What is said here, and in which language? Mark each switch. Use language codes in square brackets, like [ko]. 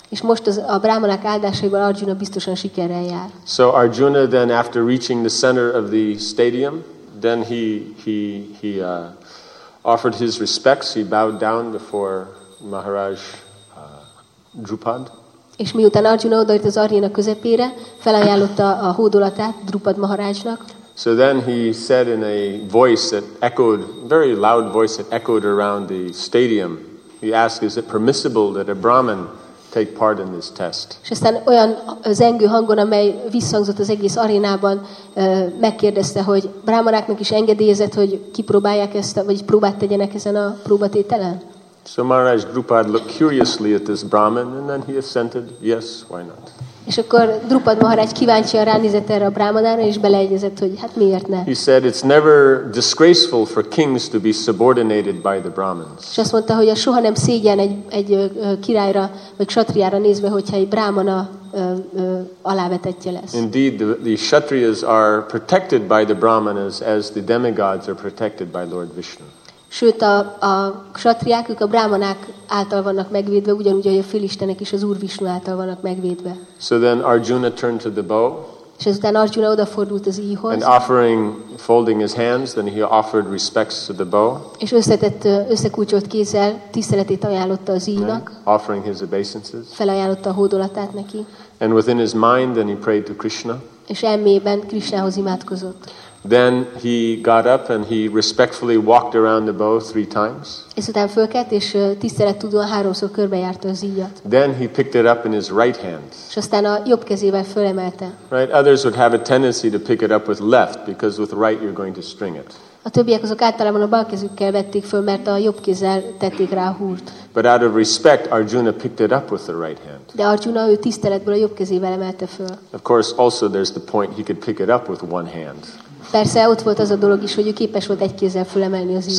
[hu] És most az a brámanák áldásaival Arjuna biztosan sikerrel jár. [en] So Arjuna then after reaching the center of the stadium, then he offered his respects, he bowed down before Maharaj Drupad. [hu] És miután Arjuna odaért az aréna közepére, felajánlotta a hódolatát Drupad Maharajnak. [en] So then he said in a voice that echoed, very loud voice that echoed around the stadium, he asked, is it permissible that a Brahmin take part in this test? [hu] És aztán olyan zengő hangon, amely visszhangzott az egész arénában, megkérdezte, hogy brámanáknak is engedélyezett, hogy kipróbálják ezt, vagy próbát tegyenek ezen a próbatételen? [en] So Maharaj Drupad looked curiously at this Brahmin, and then he assented, yes, why not? [hu] És akkor Drupad Maharaj kíváncsian ránézett erre a brámanára, és beleegyezett, hogy hát miért ne. [en] He said, it's never disgraceful for kings to be subordinated by the Brahmins. [hu] És azt mondta, hogy a soha nem szégyen egy királyra, vagy kshatriára nézve, hogyha egy brámana alávetettje lesz. [en] Indeed, the kshatriyas are protected by the brahmanas as the demigods are protected by Lord Vishnu. [hu] Sőt, a kshatriák, ők a brámanák által vannak megvédve, ugyanúgy, ahogy a félistenek is az Úr Vishnu által vannak megvédve. [en] So then Arjuna turned to the bow. [hu] És ezután Arjuna odafordult az íjhoz. [en] And offering, folding his hands, then he offered respects to the bow. [hu] És összekulcsolt kézzel tiszteletét ajánlotta az íjnak. [en] Offering his obeisances. [hu] Felajánlotta a hódolatát neki. [en] And within his mind, then he prayed to Krishna. [hu] És elmében Krishnához imádkozott. [en] Then he got up and he respectfully walked around the bow three times. [hu] És utána fölkelt és tisztelettudóan háromszor körbejárta az íjat. [en] Then he picked it up in his right hand. [hu] És aztán a jobb kezével fölemelte. [en] Right, others would have a tendency to pick it up with left because with right you're going to string it. [hu] A többiek azok általában a bal kezükkel vették föl, mert a jobb kézzel tették rá a húrt. [en] But out of respect, Arjuna picked it up with the right hand. [hu] De Arjuna ő tiszteletből a jobb kezével emelte föl. [en] Of course, also there's the point he could pick it up with one hand. [hu] Persze ott volt az a dolog is, hogy ő képes volt egy kézzel fölemelni az íjat.